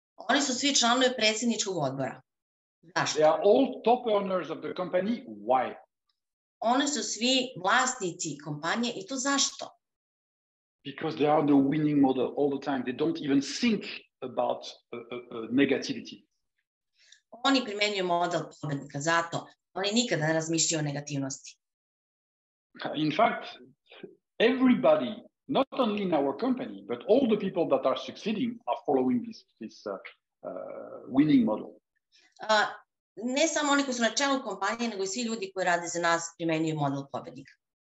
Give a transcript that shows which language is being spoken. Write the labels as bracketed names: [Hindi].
[Serbian] Oni su svi članovi predsjedničkog odbora. Zašto? [English] They are all top owners of the company. Why? [Serbian] Oni su svi vlasnici kompanije I to zašto? [English] Because they are the winning model all the time. They don't even think about negativity. [Serbian] Oni primenjuju model pobednika, zato oni nikada ne razmišljaju o negativnosti. [English] In fact, everybody, not only in our company, but all the people that are succeeding are following this winning model. [Serbian] Ne samo oni koji su na čelu kompanije, nego I svi ljudi koji rade za nas primenjuju model pobednika.